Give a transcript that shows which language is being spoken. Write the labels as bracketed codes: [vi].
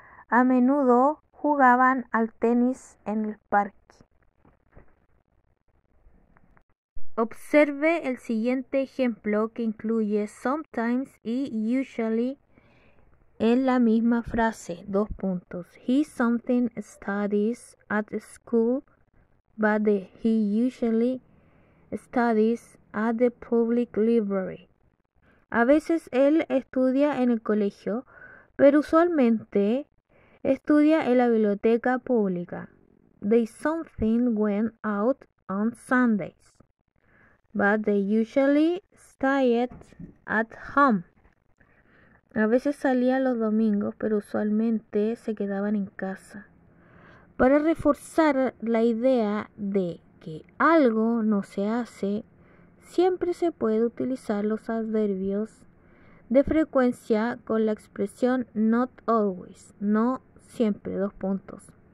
[es] A menudo jugaban al tenis en el parque. Observe el siguiente ejemplo que incluye sometimes y usually en la misma frase. Dos puntos. [en] He something studies at school, but he usually studies at the public library. [es] A veces él estudia en el colegio, pero usualmente estudia en la biblioteca pública. [en] They something went out on Sundays, but they usually stayed at home. [es] A veces salía los domingos, pero usualmente se quedaban en casa. Para reforzar la idea de que algo no se hace, siempre se puede utilizar los adverbios de frecuencia con la expresión not always, no siempre, dos puntos.